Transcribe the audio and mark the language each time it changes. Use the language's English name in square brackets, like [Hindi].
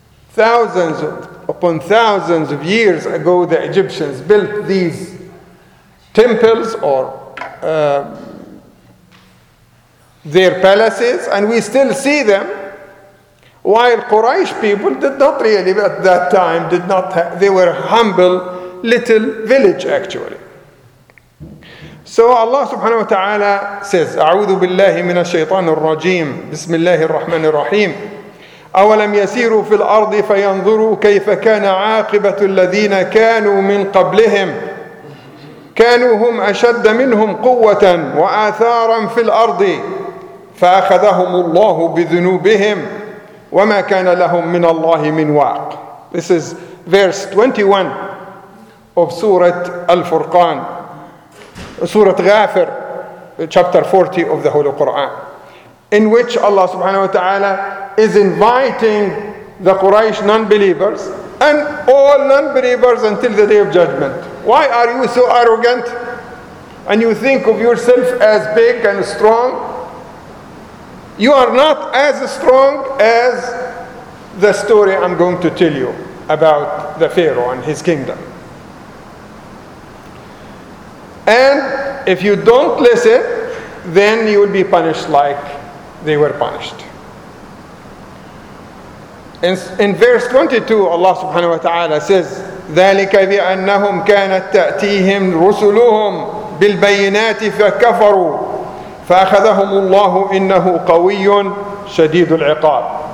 [English] Thousands upon thousands of years ago, the Egyptians built these temples or their palaces, and we still see them, while Quraysh people did not really at that time, they were humble little village actually. So Allah subhanahu wa ta'ala says, [Arabic] أعوذ بالله من الشيطان الرجيم بسم الله الرحمن الرحيم أولم يسيروا في الأرض فينظروا كيف كان عاقبة الذين كانوا من قبلهم كانوا هم أشد منهم قوة وآثارا في الأرض فأخذهم الله بذنوبهم وما كان لهم من الله من واق. [English] This is verse 21 of Surah Al-Furqan, Surah Ghafir, chapter 40 of the Holy Quran, in which Allah subhanahu wa ta'ala is inviting the Quraysh non-believers and all non-believers until the Day of Judgment. Why are you so arrogant? And you think of yourself as big and strong? You are not as strong as the story I'm going to tell you about the Pharaoh and his kingdom. And if you don't listen, then you will be punished like they were punished. In verse 22, Allah subhanahu wa ta'ala says, [Arabic] ذَلِكَ بِأَنَّهُمْ كَانَتْ تَأْتِيهِمْ رُسُلُهُمْ بِالْبَيِّنَاتِ فَكَفَرُوا فَأَخَذَهُمُ اللَّهُ إِنَّهُ قَوِيٌّ شَدِيدُ الْعِقَابِ.